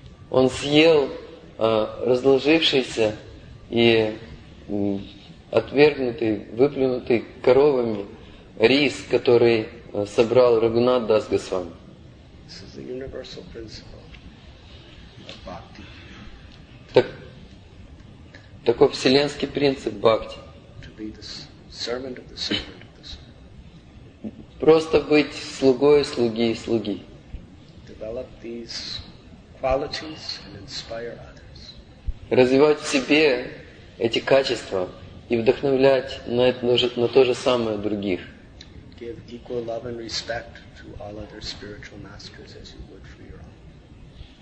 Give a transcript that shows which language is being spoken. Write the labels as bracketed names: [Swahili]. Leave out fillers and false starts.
[Russian] Он съел разложившийся и отвергнутый, выплюнутый коровами рис, который собрал Рагунат Дас Госвами. [English] This is the universal principle of bhakti. [Russian] Такой вселенский принцип бхакти. [English] To be the servant of the servant of the servant. [Russian] Просто быть слугой слуги и слуги. [English] Develop these qualities and inspire others. [Russian] Развивать в себе эти качества и вдохновлять на то же самое других. [English] Give equal love and respect to all other spiritual masters as you would for your own.